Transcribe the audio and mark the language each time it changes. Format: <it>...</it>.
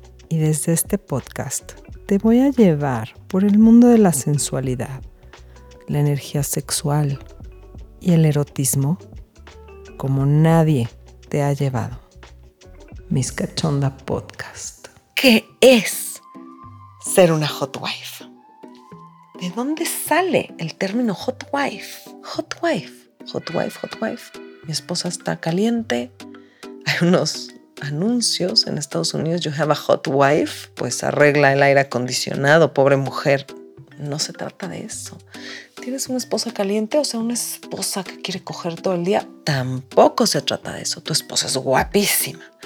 <es>Y desde este podcast te voy a llevar por el mundo de la sensualidad, la energía sexual y el erotismo como nadie te ha llevado. Miss Cachonda Podcast. ¿Qué es ser una hot wife? ¿De dónde sale el término hot wife?</es> <en>Hot wife, hot wife, hot wife.</en> <es>Mi esposa está caliente. Hay unos anuncios en Estados Unidos.</es> <en>You have a hot wife.</en> <es>Pues arregla el aire acondicionado, pobre mujer. No se trata de eso. ¿Tienes una esposa caliente? O sea, ¿una esposa que quiere coger todo el día? Tampoco se trata de eso. Tu esposa es guapísima.</es>